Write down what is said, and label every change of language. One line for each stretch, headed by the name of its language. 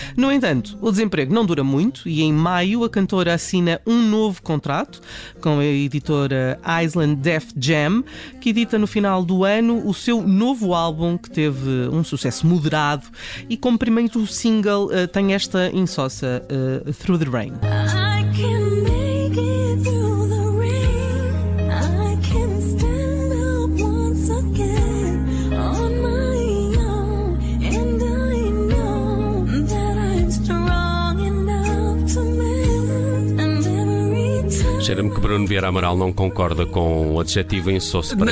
Portuguese: No entanto, o desemprego não dura muito e em maio a cantora assina um novo contrato com a editora Island Def Jam, que edita no final do ano o seu novo álbum, que teve um sucesso moderado, e como primeiro single tem esta insossa, Through the Rain.
English: I can make it through the rain. I can stand up once again on my own. And I know that I'm strong enough to mend. And every time.
Portuguese: Cheira-me que Bruno Vieira Amaral não concorda com o adjetivo insosso para